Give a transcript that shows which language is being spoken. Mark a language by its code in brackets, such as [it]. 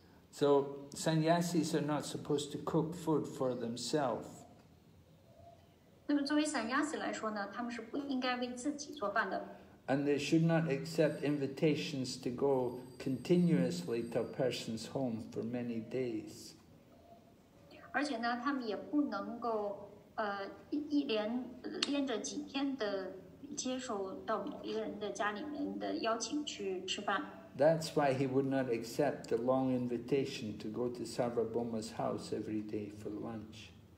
[en] So Sanyasis are not supposed to cook food for themselves. [zh] 那么作为 Sanyasi 来说呢，他们是不应该为自己做饭的。 [en] And they should not accept invitations to go continuously to a person's home for many days. [zh] 而且呢，他们也不能够连着几天的接受到某一个人的家里面的邀请去吃饭。 [en] That's why he would not accept the long invitation to go to Sarvabhauma's house every day for lunch.